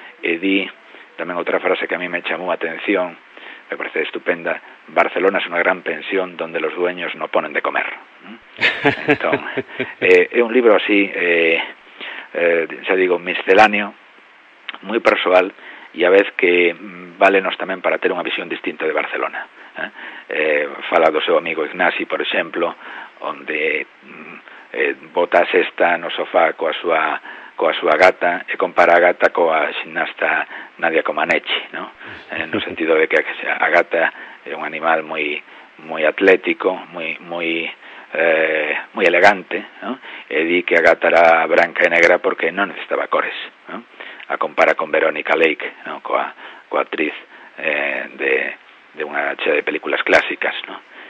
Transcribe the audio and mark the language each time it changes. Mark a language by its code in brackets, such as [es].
[gl] E di tamén outra frase que a mí me chamou a atención, me parece estupenda: [es] Barcelona es una gran pensión donde los dueños no ponen de comer. Entonces, es un libro así, ya digo, misceláneo, muy personal, y a vez que válenos también para tener una visión distinta de Barcelona. [gl] Fala do seu amigo Ignasi, [es] por ejemplo, [gl] donde bota a sesta no sofá coa súa gata e compara a gata coa xinasta Nadia Comaneci, ¿no? No sentido de que a gata é un animal moi atlético, moi elegante, ¿no? E di que a gata era branca e negra porque non necesitaba cores, ¿no? A compara con Verónica Lake, ¿no? coa actriz de unha xa de películas clásicas, ¿no?